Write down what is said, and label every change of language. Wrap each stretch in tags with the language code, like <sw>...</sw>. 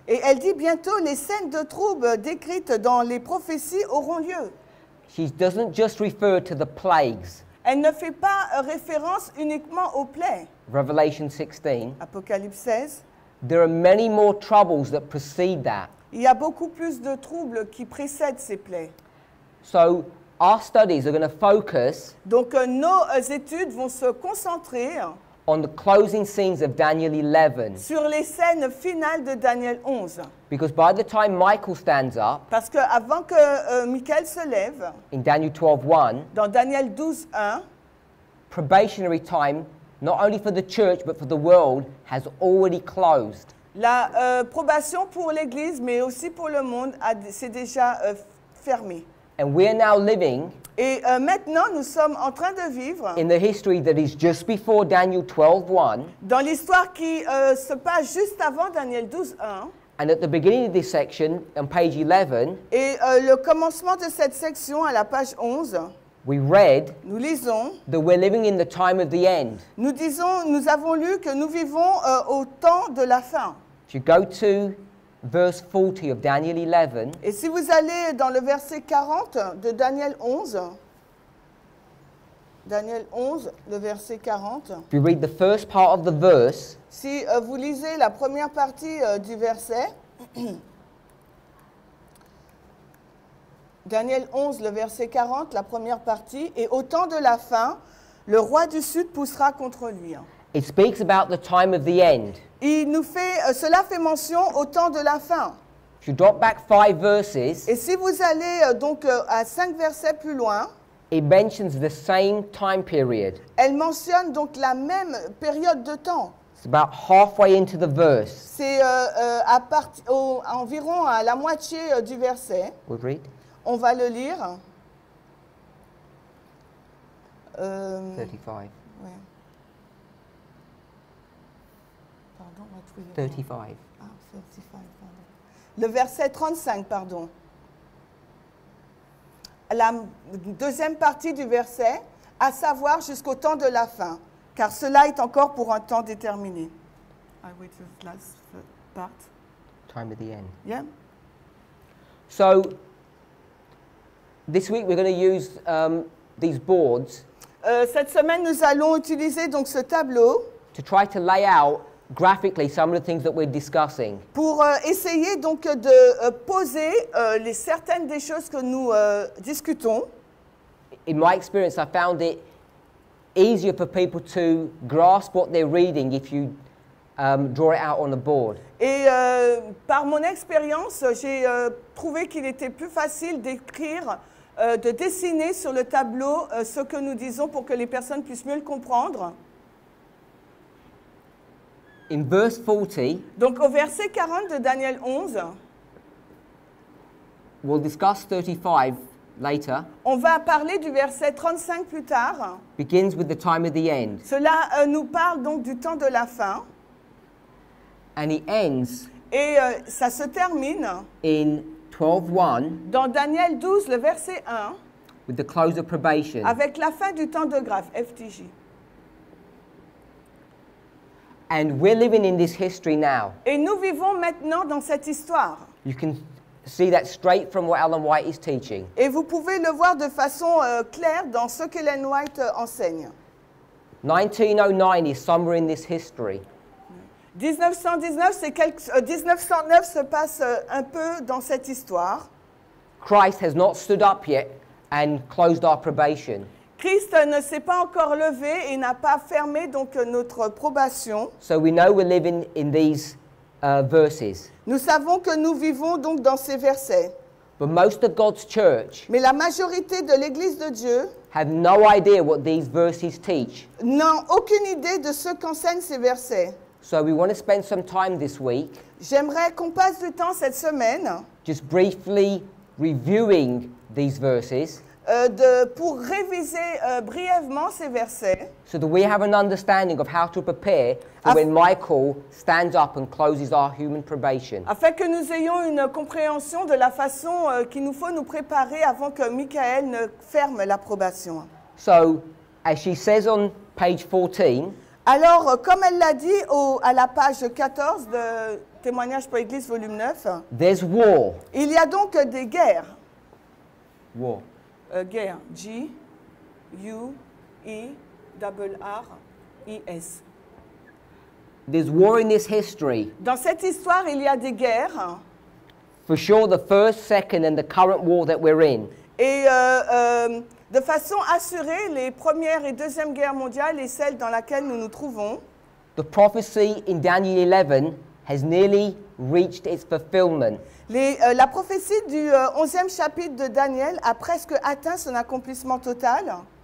<fr>Et elle dit bientôt les scènes de trouble décrites dans les prophéties auront lieu.</fr> <en>She doesn't just refer to the plagues.</en> <fr>Elle ne fait pas référence uniquement aux plaies.</fr> <en>Revelation 16.</en> <fr>Apocalypse 16.</fr> <en>There are many more troubles that precede that.</en> <fr>Il y a beaucoup plus de troubles qui précèdent ces plaies.</fr> <en>So our studies are going to focus.</en> <fr>Donc nos études vont se concentrer</fr> <en>on the closing scenes of Daniel 11.</en> <fr>Sur les scènes finales de Daniel 11.</fr> <en>Because by the time Michael stands up.</en> <fr>Parce que avant que Michael se lève.</fr> <en>In Daniel 12:1.</en> <fr>Dans Daniel 12:1.</fr> <en>Probationary time, not only for the church but for the world, has already closed.</en> <fr>La probation pour l'Église, mais aussi pour le monde, c'est déjà fermé.</fr> <en>And we are now living.</en> <fr>Et maintenant, nous sommes en train de vivre</fr> <en>in the history that is just before Daniel 12:1.</en> <fr>Dans l'histoire qui se passe juste avant Daniel 12:1.</fr> <en>And at the beginning of this section, on page 11.</en> <fr>Et le commencement de cette section à la page 11.</fr> <en>We read.</en> <fr>Nous lisons.</fr> <en>That we're living in the time of the end.</en> <fr>Nous disons, nous avons lu que nous vivons au temps de la fin.</fr> <en>If you go to verse 40 of Daniel 11.</en> <fr>Et si vous allez dans le verset 40 de Daniel 11. Daniel 11, le verset 40.</fr> <en>If you read the first part of the verse.</en> <fr>Si vous lisez la première partie du verset. Daniel 11, le verset 40, la première partie. Et au temps de la fin, le roi du sud poussera contre lui.</fr> <en>It speaks about the time of the end.</en> <fr>Il nous fait, cela fait mention au temps de la fin.</fr> <en>If you drop back five verses,</en> <fr>et si vous allez donc à cinq versets plus loin,</fr> <en>it mentions the same time period.</en> <fr>Elle mentionne donc la même période de temps.</fr> <en>It's about halfway into the verse.</en> <fr>C'est à partir environ à la moitié du verset.</fr> <en>We'll read.</en> <fr>On va le lire.</fr> <en>35.</en> <fr>La deuxième partie du verset, à savoir jusqu'au temps de la fin, car cela est encore pour un temps déterminé.</fr> <en>I wait for the last part. Time of the end. Yeah. So, this week we're going to use these boards.</en> <fr>Cette semaine, nous allons utiliser donc ce tableau.</fr> <en>To try to lay out graphically some of the things that we're discussing.</en> <fr>Pour essayer donc de poser les certaines des choses que nous discutons.</fr> <en>In my experience, I found it easier for people to grasp what they're reading if you draw it out on a board.</en> <fr>Et par mon expérience, j'ai trouvé qu'il était plus facile d'écrire, de dessiner sur le tableau ce que nous disons pour que les personnes puissent mieux le comprendre.</fr> <en>In verse 40.</en> <fr>Donc au verset 40 de Daniel 11.</fr> <en>We'll discuss 35 later.</en> <fr>On va parler du verset 35 plus tard.</fr> <en>Begins with the time of the end.</en> <fr>Cela nous parle donc du temps de la fin.</fr> <en>And it ends.</en> <fr>Et ça se termine.</fr> <en>In 12:1.</en> <fr>Dans Daniel 12, le verset 1.</fr> <en>With the close of probation.</en> <fr>Avec la fin du temps de grâce, FTJ.</fr> <en>And we're living in this history now.</en> <fr>Et nous vivons maintenant dans cette histoire.</fr> <en>You can see that straight from what Ellen White is teaching.</en> <fr>Et vous pouvez le voir de façon claire dans ce que Ellen White enseigne.</fr> <en>1909 is somewhere in this history.</en> <fr>1919, c'est quelque 1909 se passe un peu dans cette histoire.</fr> <en>Christ has not stood up yet and closed our probation.</en> <fr>Christ ne s'est pas encore levé et n'a pas fermé donc notre probation.</fr> <en>So we know we're living in these verses.</en> <fr>Nous savons que nous vivons donc dans ces versets.</fr> <en>But most of God's church.</en> <fr>Mais la majorité de l'église de Dieu.</fr> <en>Have no idea what these verses teach.</en> <fr>N'ont aucune idée de ce qu'enseignent ces versets.</fr> <en>So we want to spend some time this week.</en> <fr>J'aimerais qu'on passe du temps cette semaine.</fr> <en>Just briefly reviewing these verses.</en> <fr>Pour réviser brièvement ces versets.</fr> <en>So that we have an understanding of how to prepare for when Michael stands up and closes our human probation.</en> <fr>Afin que nous ayons une compréhension de la façon qu'il nous faut nous préparer avant que Michael ne ferme la probation.</fr> <en>So, as she says on page 14.</en> <fr>Alors, comme elle l'a dit à la page 14 de Témoignage pour l'Église, volume 9.</fr> <en>There's war.</en> <fr>Il y a donc des guerres.</fr> <en>War.</en> <fr>Guerre, G-U-E-R-R-I-S.</fr> <en>There's war in this history.</en> <fr>Dans cette histoire, il y a des guerres.</fr> <en>For sure, the first, second, and the current war that we're in.</en> <fr>Et de façon assurée, les premières et deuxième guerres mondiales et celles dans laquelle nous nous trouvons.</fr> <en>The prophecy in Daniel 11 has nearly reached its fulfillment.</en> <fr>La prophétie du 11e chapitre de Daniel a presque atteint son accomplissement total.</fr>